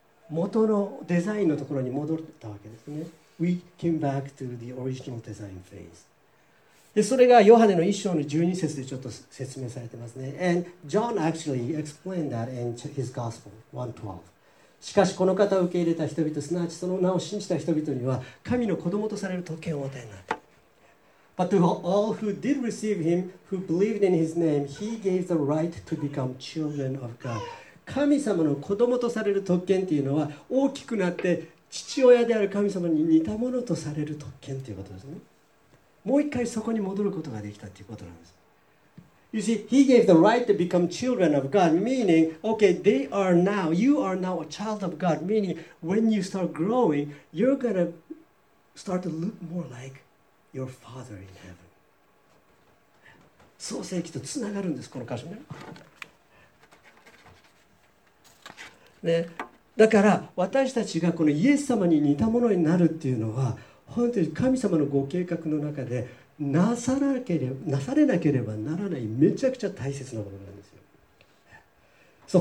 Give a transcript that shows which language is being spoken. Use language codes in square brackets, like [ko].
[ja] 元のデザインのところに戻ったわけですね。 [en] We came back to the original design phase. [ja] で、それがヨハネの1章の12節でちょっと説明されてますね。 [en] And John actually explained that in his gospel, 1:12. [ja] しかしこの方を受け入れた人々、すなわちその名を信じた人々には、神の子供とされる特権を与えになった。 [en] But to all who did receive him, who believed in his name, he gave the right to become children of God. [ja] 神様の子供とされる特権というのは、大きくなって父親である神様に似たものとされる特権ということですね。もう一回そこに戻ることができたということなんです。 [en] You see, he gave the right to become children of God, meaning, okay, they are now, you are now a child of God, meaning when you start growing, you're going to start to look more like God. Your father in heaven. [ja] 創世記とつながるんです、この箇所ね。ね、だから私たちがこのイエス様に似たものになるっていうのは、本当に神様のご計画の中でなされなければならないめちゃくちゃ大切なものなんですよ。